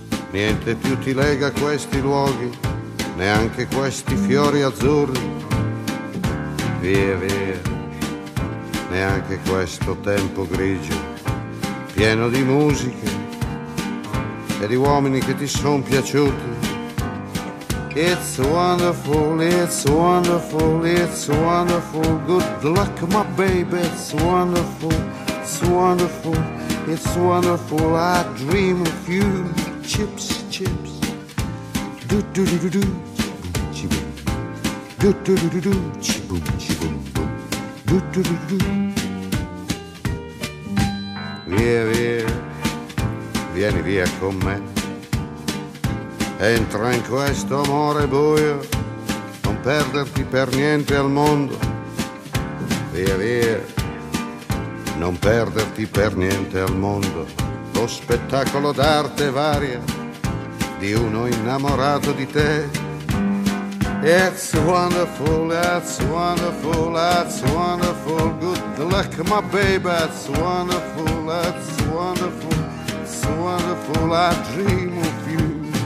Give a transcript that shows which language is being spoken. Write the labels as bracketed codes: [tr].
[it] Niente più ti lega questi luoghi, neanche questi fiori azzurri. Via, via, neanche questo tempo grigio, pieno di musiche e di uomini che ti son piaciuti. [en] It's wonderful, it's wonderful, it's wonderful. Good luck, my baby, it's wonderful, it's wonderful. It's wonderful, I dream of you. Chips, chips. Do-do-do-do-do. Chi-boom. Do-do-do-do-do. Chi-boom, chi-boom, boom. Do-do-do-do-do. [it] Via, via. Vieni via con me. Entra in questo amore buio. Non perderti per niente al mondo. Via, via. Non perderti per niente al mondo lo spettacolo d'arte varia di uno innamorato di te. [en] It's wonderful, that's wonderful, that's wonderful. Good luck, my baby, that's wonderful, that's wonderful. It's wonderful, I dream of you.